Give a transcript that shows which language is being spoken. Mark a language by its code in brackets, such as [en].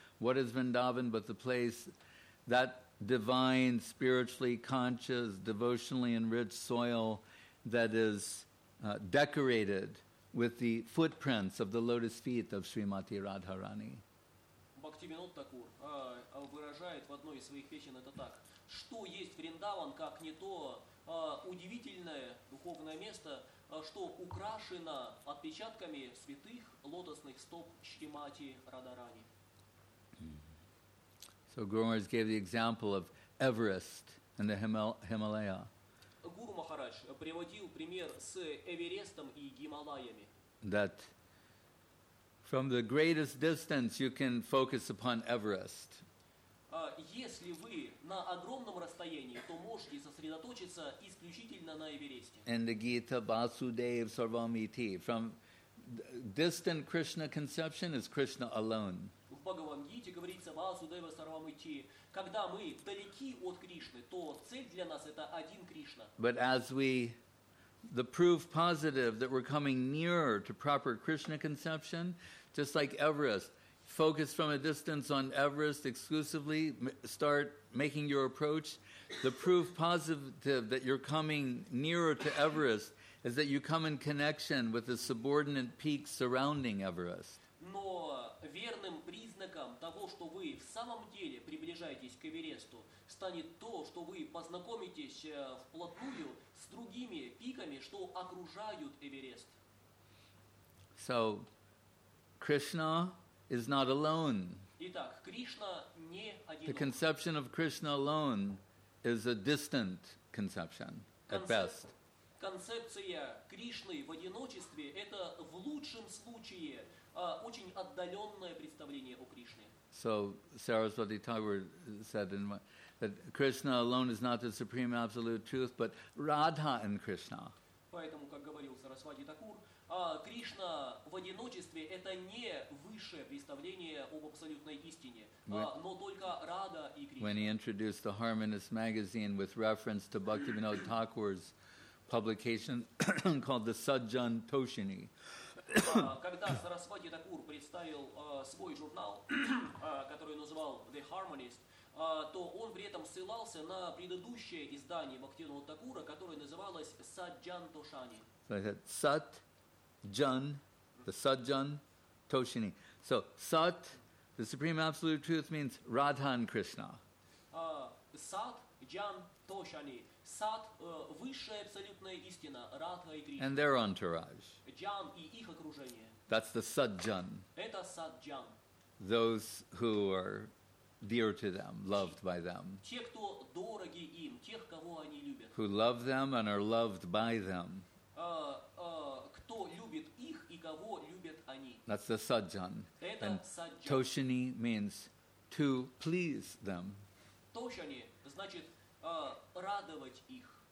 [en] What is Vrindavan but the place that divine, spiritually conscious, devotionally enriched soil that is decorated with the footprints of the lotus feet of Srimati Radharani. [ru] Бхактивинода Такур выражает в одной из своих песен это так. Что есть Вриндаван, как не то удивительное духовное место, что украшено отпечатками святых лотосных стоп Шримати Радарани. [en] So Gurumaharaj gave the example of Everest and the Himalaya. [ru] Гуру Махарадж приводил пример с Эверестом и Гималаями. [en] That from the greatest distance you can focus upon Everest. [ru] Если вы на огромном расстоянии, то можете сосредоточиться исключительно на Эвересте. [en] In the Gita, Vasudev Sarvamiti. From distant Krishna conception is Krishna alone. [ru] В Бхагавангите говорится Васудева Сарвамити. Когда мы вдалеки от Кришны, то цель для нас это один Кришна. [en] But as we the proof positive that we're coming nearer to proper Krishna conception, just like Everest, focus from a distance on Everest exclusively, start making your approach. The proof positive that you're coming nearer to Everest is that you come in connection with the subordinate peaks surrounding Everest. [ru] Но верным признаком того, что вы в самом деле приближаетесь к Эвересту, станет то, что вы познакомитесь вплотную с другими пиками, что окружают Эверест. [en] So, Krishna is not alone. [ru] Итак, Кришна не одинок. [en] The conception of Krishna alone is a distant conception, at best. [ru] Концепция Кришны в одиночестве – это в лучшем случае очень отдаленное представление о Кришне. [en] So Saraswati Thakur said in my, that Krishna alone is not the supreme absolute truth, but Radha and Krishna. [ru] Поэтому, как говорил Сарасвати Такур, Кришна в одиночестве – это не высшее представление об абсолютной истине, но только Рада и Кришна. [en] When he introduced the Harmonist magazine with reference to Bhaktivinoda Thakur's publication called the Sajjan Toshini. [ru] Когда Сарасвати Такур представил свой журнал, который называл The Harmonist, то он при этом ссылался на предыдущее издание Бхактивинода Такура, которое называлось Sajjan Toshini. [en] So he said, Sajjan, the Sajjan Toshini. So Sat, the Supreme Absolute Truth, means Radha and Krishna. Sat, Jan, Toshini. [ru] Сад – высшая абсолютная истина, Радха и Кришна. [en] And their entourage. [ru] Джан и их окружение. [en] That's the Саджан. [ru] Это Саджан. [en] Those who are dear to them, loved by them. [ru] Те, кто дороги им, тех, кого они любят. [en] Who love them and are loved by them. [ru] Кто любит их и кого любят они. [en] That's the Саджан. [ru] Это Саджан. [en] Тошини means to please them. [ru] Тошини значит радовать их.